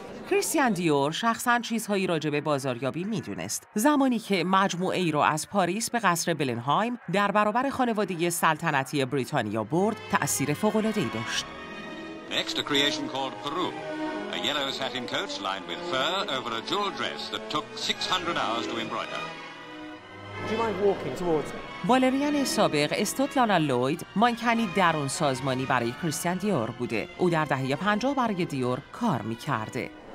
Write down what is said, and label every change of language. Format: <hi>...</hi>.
<fa>کریستیان دیور شخصاً چیزهایی راجع به بازاریابی میدونست. زمانی که مجموعه ای را از پاریس به قصر بلنهایم در برابر خانواده سلطنتی بریتانیا برد، تأثیر فوق‌العاده‌ای داشت.</fa> <en>Next, a creation called Peru. A yellow satin coat lined with fur over a jewel dress that took 600 hours to embroider.</en> <fa>بالریان سابق استوت لانا لوید مانکنی درون سازمانی برای کریستیان دیور بوده. او در دهه 50 برای دیور کار می‌کرده.</fa>